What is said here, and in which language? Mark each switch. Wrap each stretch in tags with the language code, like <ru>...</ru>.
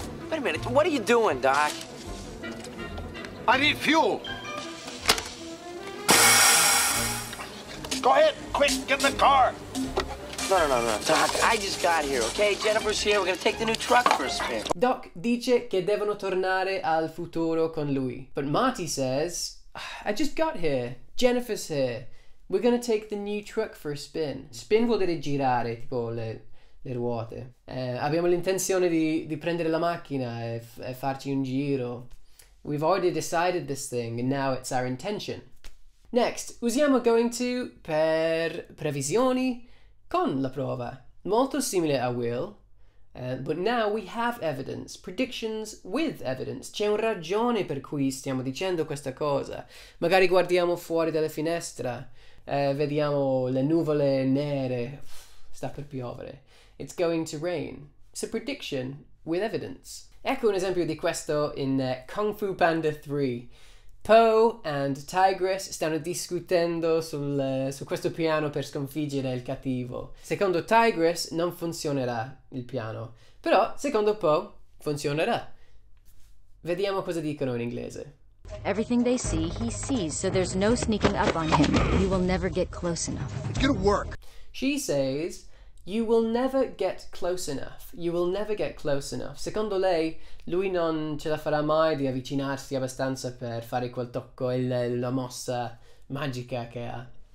<en>Wait a minute, what are you doing, Doc? I need fuel! Go ahead, quick, get in the car! No, Doc, I just got here, okay? Jennifer's here, we're gonna take the new truck for a spin.</en> <it>Doc dice che devono tornare al futuro con lui.</it> <en>But Marty says, I just got here, Jennifer's here. We're gonna take the new truck for a spin.</en> <it>Spin vuol dire girare, tipo le ruote. Abbiamo l'intenzione di prendere la macchina e farci un giro.</it> <en>We've already decided this thing and now it's our intention.</en> <it>Next, usiamo going to per previsioni. Con la prova, molto simile a</it> <en>will, but now we have evidence, predictions with evidence.</en> <it>C'è un ragione per cui stiamo dicendo questa cosa. Magari guardiamo fuori dalla finestra, vediamo le nuvole nere, sta per piovere.</it> <en>It's going to rain. It's a prediction with evidence.</en> <it>Ecco un esempio di questo in Kung Fu Panda 3. Po and Tigress stanno discutendo su questo piano per sconfiggere il cattivo. Secondo Tigress non funzionerà il piano, però secondo Po funzionerà. Vediamo cosa dicono in inglese.</it> <en>Everything they see, he sees, so there's no sneaking up on him. You will never get close enough. It's gonna work. She says, you will never get close enough. You will never get close enough.</en> <it>Secondo lei, lui non ce la farà mai di avvicinarsi abbastanza per fare quel tocco e la mossa magica che ha.</it>